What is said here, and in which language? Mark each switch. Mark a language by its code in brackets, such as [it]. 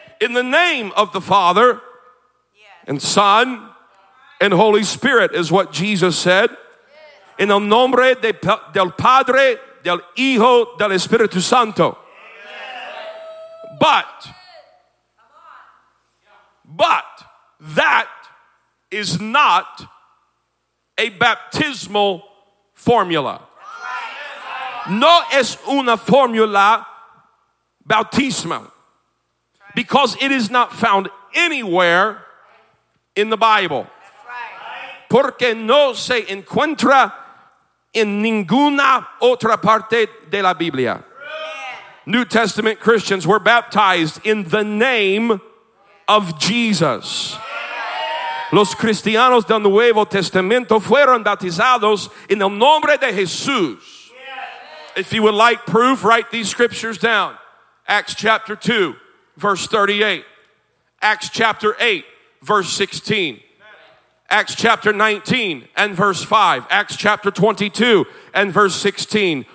[en] In the name of the Father, yes, and Son, and Holy Spirit is what Jesus said. Yes. [es] En el nombre del Padre, del Hijo, del Espíritu Santo. Amen. [en] But that is not a baptismal formula. [es] No es una formula bautismo, [en] because it is not found anywhere in the Bible. [es] Porque no se encuentra en ninguna otra parte de la Biblia. [en] New Testament Christians were baptized in the name of Jesus. [es] Los cristianos del Nuevo Testamento fueron bautizados en el nombre de Jesús. [en] If you would like proof, write these scriptures down. Acts chapter 2, verse 38. Acts chapter 8, verse 16. Acts chapter 19 and verse 5. Acts chapter 22 and verse 16.